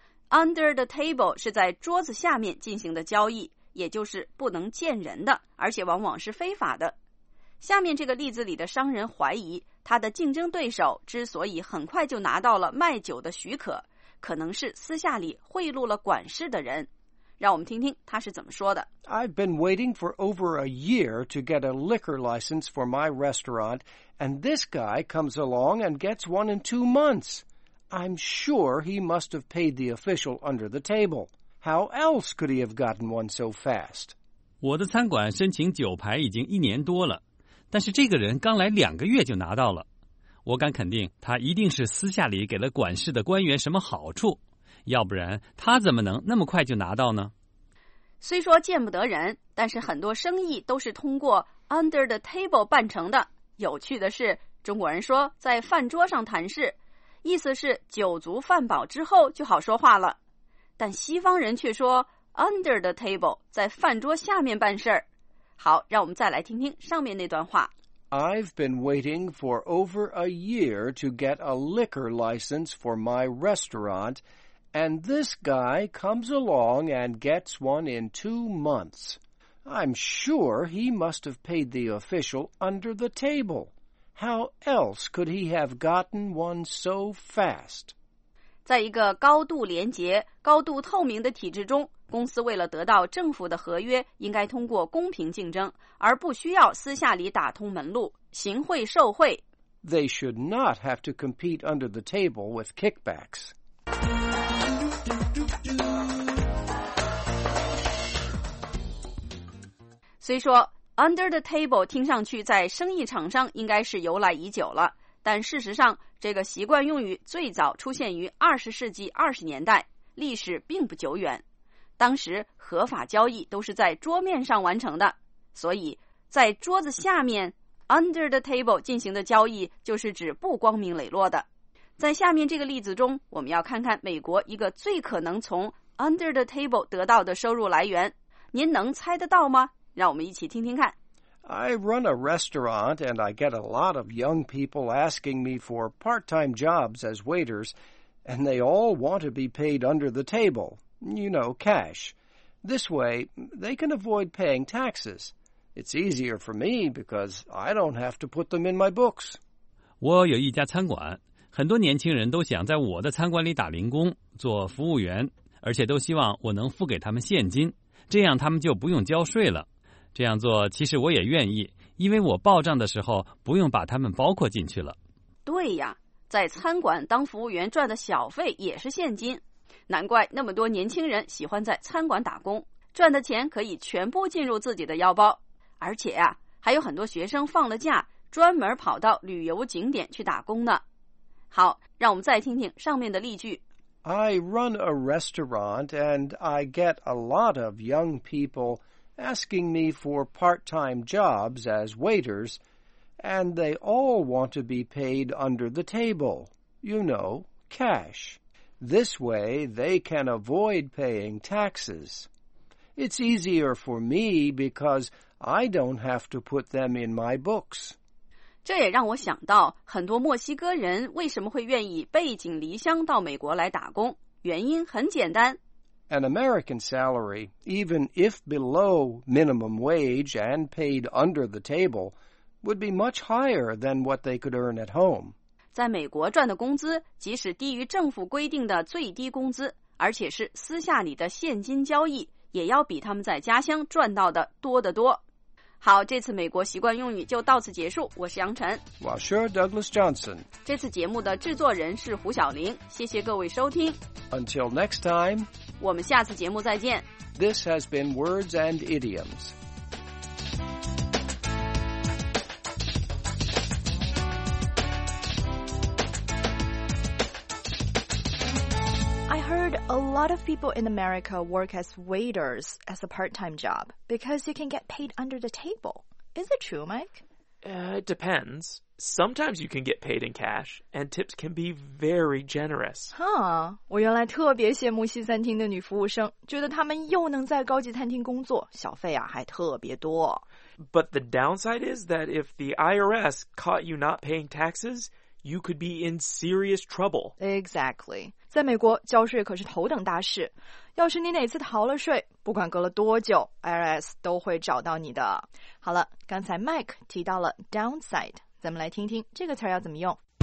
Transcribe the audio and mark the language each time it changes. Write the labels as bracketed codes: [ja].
[zh] Under the table 是在桌子下面进行的交易，也就是不能见人的，而且往往是非法的。下面这个例子里的商人怀疑他的竞争对手之所以很快就拿到了卖酒的许可，可能是私下里贿赂了管事的人。让我们听听他是怎么说的。 [en] I've been waiting for over a year to get a liquor license for my restaurant, and this guy comes along and gets one in 2 months. I'm sure he must have paid the official under the table. How else could he have gotten one so fast? [zh] 我的餐馆申请酒牌已经一年多了，但是这个人刚来两个月就拿到了，我敢肯定他一定是私下里给了管事的官员什么好处，要不然他怎么能那么快就拿到呢？虽说见不得人，但是很多生意都是通过 under the table 办成的。有趣的是，中国人说在饭桌上谈事，意思是酒足饭饱之后就好说话了。但西方人却说 under the table， 在饭桌下面办事儿。好，让我们再来听听上面那段话。 [en] I've been waiting for over a year to get a liquor license for my restaurant, and this guy comes along and gets one in 2 months. I'm sure he must have paid the official under the table. How else could he have gotten one so fast? [zh] 在一个高度廉洁、高度透明的体制中，公司为了得到政府的合约，应该通过公平竞争，而不需要私下里打通门路，行贿受贿。 [en] They should not have to compete under the table with kickbacks. [zh] 虽说 under the table 听上去在生意场上应该是由来已久了，但事实上，这个习惯用语最早出现于20世纪20年代，历史并不久远。当时合法交易都是在桌面上完成的，所以在桌子下面 under the table 进行的交易就是指不光明磊落的。在下面这个例子中，我们要看看美国一个最可能从 under the table 得到的收入来源，您能猜得到吗？让我们一起听听看。 [en] I run a restaurant and I get a lot of young people asking me for part-time jobs as waiters and they all want to be paid under the tableYou know, cash. This way, they can avoid paying taxes. It's easier for me because I don't have to put them in my books. [zh] 我有一家餐馆，很多年轻人都想在我的餐馆里打零工，做服务员，而且都希望我能付给他们现金，这样他们就不用交税了。这样做其实我也愿意，因为我报账的时候不用把他们包括进去了。对呀，在餐馆当服务员赚的小费也是现金。难怪那么多年轻人喜欢在餐馆打工，赚的钱可以全部进入自己的腰包。而且啊，还有很多学生放了假，专门跑到旅游景点去打工呢。好，让我们再听听上面的例句。 [en] I run a restaurant and I get a lot of young people asking me for part-time jobs as waiters, and they all want to be paid under the table, you know, cash. This way, they can avoid paying taxes. It's easier for me because I don't have to put them in my books. [zh] 这也让我想到很多墨西哥人为什么会愿意背井离乡到美国来打工。原因很简单。 [en] An American salary, even if below minimum wage and paid under the table, would be much higher than what they could earn at home. [zh] 在美国赚的工资，即使低于政府规定的最低工资，而且是私下里的现金交易，也要比他们在家乡赚到的多得多。好，这次美国习惯用语就到此结束。我是杨晨。 [en] Well, sure, Douglas Johnson. [zh] 这次节目的制作人是胡晓玲。谢谢各位收听。 [en] Until next time. [zh] 我们下次节目再见。 [en] This has been Words and Idioms. A lot of people in America work as waiters as a part-time job because you can get paid under the table. Is it true, Mike? It depends. Sometimes you can get paid in cash, and tips can be very generous. Huh. [zh] 我原来特别羡慕西餐厅的女服务生，觉得她们又能在高级餐厅工作，小费啊还特别多。 [en] But the downside is that if the IRS caught you not paying taxes... You could be in serious trouble. Exactly. [zh] 在美国交税可是头等大事。要是你哪次逃了税，不管隔了多久， IRS 都会找到你的。好了，刚才 Mike 提到了 downside， 咱们来听听这个词要怎么用。